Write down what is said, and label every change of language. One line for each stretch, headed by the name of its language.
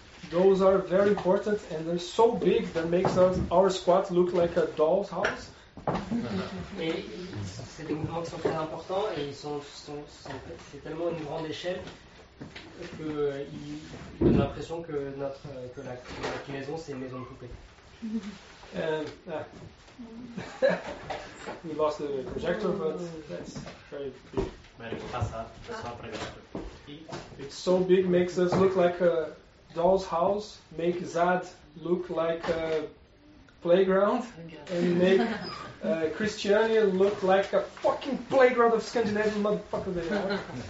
English: Those are very important and they're so big that makes our squat look like a doll's house.
French: Et c'est des mouvements qui sont très importants et ils sont c'est tellement une grande échelle qu'ils donnent l'impression que la maison c'est une maison de poupée.
English: We lost the projector, but that's very big. It's so big, makes us look like a doll's house, make Zad look like a playground, and make Christiania look like a fucking playground of Scandinavian motherfucker they are.